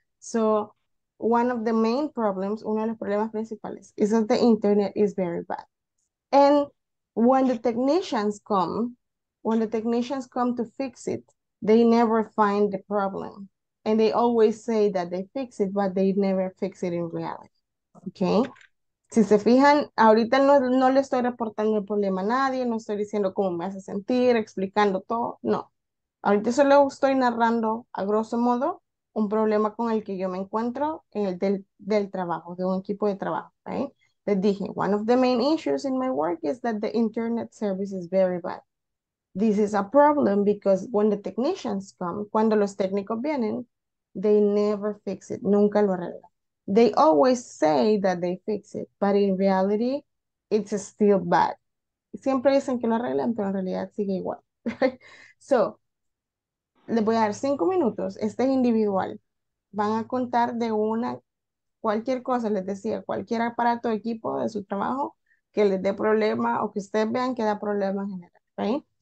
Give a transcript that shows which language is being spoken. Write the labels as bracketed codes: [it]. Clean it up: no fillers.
[en] So one of the main problems, [es] uno de los problemas principales, [en] is that the internet is very bad. And when the technicians come to fix it, they never find the problem. And they always say that they fix it, but they never fix it in reality, okay? [es] Si se fijan, ahorita no le estoy reportando el problema a nadie, no estoy diciendo cómo me hace sentir, explicando todo, no. Ahorita solo estoy narrando, a grosso modo, un problema con el que yo me encuentro en el del trabajo, de un equipo de trabajo, right? Les dije, [en] one of the main issues in my work is that the internet service is very bad. This is a problem because when the technicians come, [es] cuando los técnicos vienen, [en] they never fix it, [es] nunca lo arreglan. [en] They always say that they fix it, but in reality, it's still bad. [es] Siempre dicen que lo arreglan, pero en realidad sigue igual. So, les voy a dar 5 minutos. Este es individual. Van a contar de una, cualquier cosa, les decía, cualquier aparato o equipo de su trabajo que les dé problema o que ustedes vean que da problema en general, ¿right?